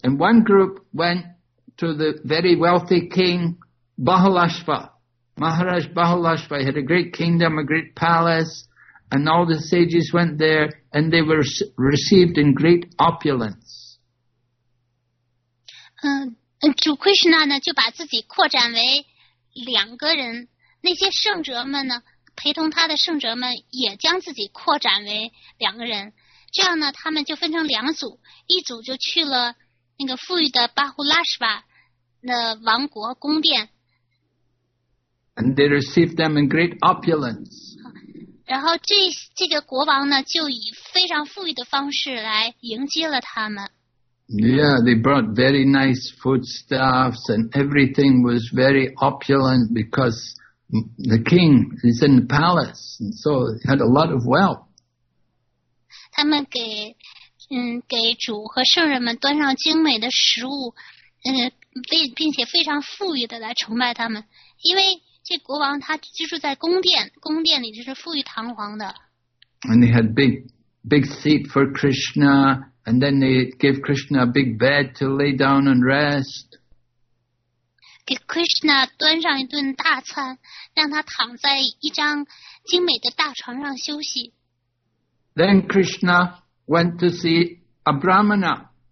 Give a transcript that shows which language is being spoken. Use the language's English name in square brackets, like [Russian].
[English] And one group went to the very wealthy king Bahulashva. Maharaj Bahulashva had a great kingdom, a great palace, and all the sages went there, and they were received in great opulence. [Chinese] 主 Krishna 呢就把自己扩展为两个人，那些圣哲们呢陪同他的圣哲们也将自己扩展为两个人，这样呢他们就分成两组，一组就去了那个富裕的巴胡拉什巴的王国宫殿。 [English] And they received them in great opulence. [Chinese] 然后这个国王呢就以非常富裕的方式来迎接了他们。 [English] Yeah, they brought very nice foodstuffs and everything was very opulent because the king is in the palace and so he had a lot of wealth. [Chinese] 他们给主和圣人们端上精美的食物并且非常富裕的来崇拜他们，因为这国王他居住在宫殿，宫殿里就是富裕堂皇的。 [English] And they had big seat for Krishna. And then they give Krishna a big bed to lay down and rest. [Chinese] 给 Krishna 端上一顿大餐，让他躺在一张精美的大床上休息。 [English] Then Krishna went to see a Brahmana.